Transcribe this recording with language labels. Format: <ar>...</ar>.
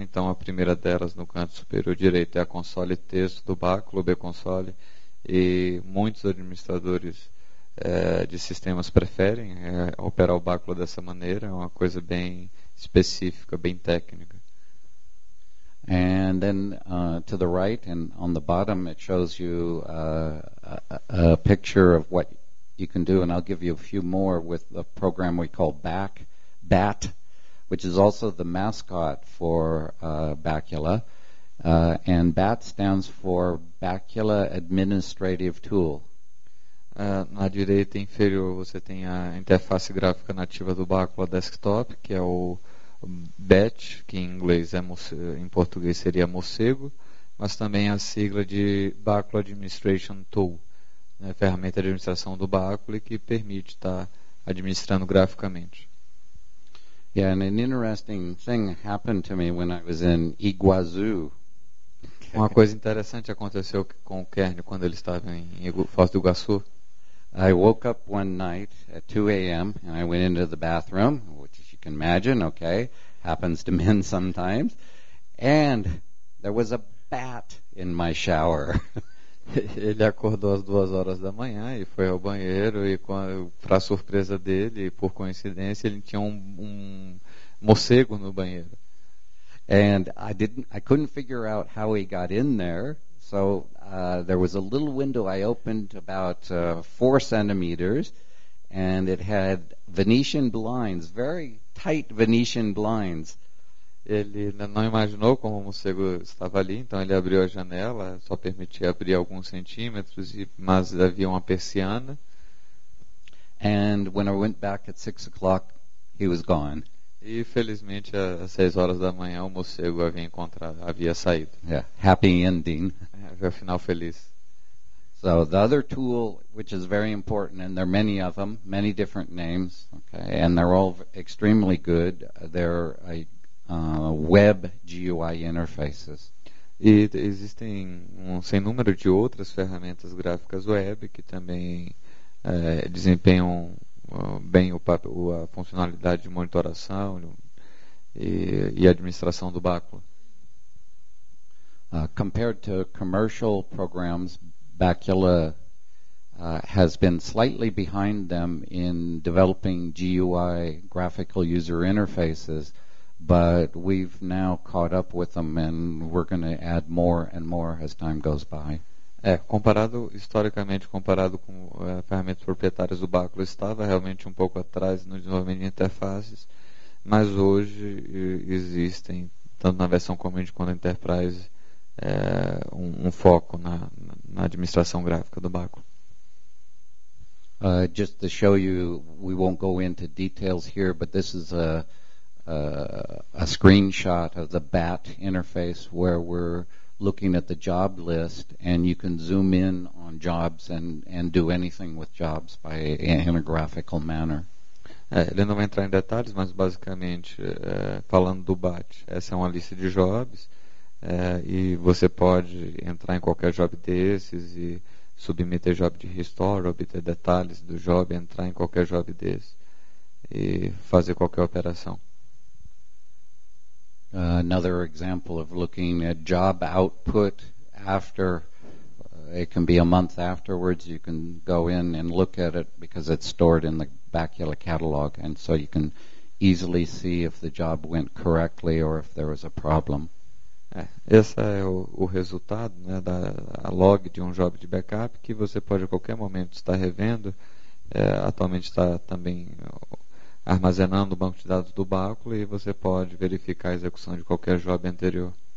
<pt>Então, a primeira delas no canto superior direito é a console texto do Bacula, o B console, e muitos administradores de sistemas preferem operar o Bacula dessa maneira. É uma coisa bem específica, bem técnica.</pt> <en>And then to the right and on the bottom it shows you a picture of what you can do, and I'll give you a few more with the program we call BAT, which is also the mascot for Bacula. And BAT stands for Bacula Administrative Tool.</en> <pt>Na direita inferior você tem a interface gráfica nativa do Bacula Desktop, que é o BAT, que em inglês é em português seria morcego, mas também a sigla de Bacula Administration Tool, né, ferramenta de administração do Bacula que permite estar administrando graficamente.</pt> <en>Yeah, and an interesting thing happened to me when I was in Iguazu.</en> <pt>Uma coisa interessante aconteceu com o Kern quando ele estava em Foz do Iguaçu.</pt> <en>I woke up one night at 2 a.m. and I went into the bathroom, which as you can imagine, okay, happens to men sometimes. And there was a bat in my shower.</en> <pt>Ele acordou às 2 horas da manhã e foi ao banheiro e, para surpresa dele, por coincidência, ele tinha um morcego no banheiro.</pt> <en>And I couldn't figure out how he got in there. So there was a little window I opened about 4 centimeters, and it had Venetian blinds, very tight Venetian blinds.</en> <pt>Ele não imaginou como o morcego estava ali, então ele abriu a janela, só permitia abrir alguns centímetros, mas havia uma persiana.</pt> <en>And when I went back at 6 o'clock, he was gone.</en> <pt>E felizmente às 6 horas da manhã o morcego havia saído.</pt> <en>Yeah, happy ending.</en> <pt>Havia um final feliz.</pt> <en>So the other tool, which is very important, and there are many of them, many different names, okay, and they're all extremely good. They're web GUI interfaces.</en> <pt>E existem um sem número de outras ferramentas gráficas web que também desempenham bem a funcionalidade de monitoração e administração do Bacula.</pt> <en>Compared to commercial programs, Bacula has been slightly behind them in developing GUI graphical user interfaces, but we've now caught up with them and we're going to add more and more as time goes by.</en> <pt>Comparado com ferramentas proprietárias do Bacula, estava realmente um pouco atrás no desenvolvimento de interfaces, mas hoje existem, tanto na versão comum quanto na Enterprise, um foco na administração gráfica do Bacula.</pt> <en>Just to show you, we won't go into details here, but this is a screenshot of the BAT interface where we're looking at the job list, and you can zoom in on jobs and do anything with jobs by in a graphical manner.</en> <pt>Ele não vai entrar em detalhes, mas basicamente, falando do BAT, essa é uma lista de jobs, e você pode entrar em qualquer job desses e submeter job de restore, obter detalhes do job, entrar em qualquer job desses e fazer qualquer operação.</pt> <en>Another example of looking at job output after, it can be a month afterwards, you can go in and look at it because it's stored in the Bacula catalog, and so you can easily see if the job went correctly or if there was a problem.</en> <pt>Esse é o resultado, né, da log de job de backup que você pode a qualquer momento estar revendo. Atualmente está também armazenando o banco de dados do Bacula, e você pode verificar a execução de qualquer job anterior.</pt>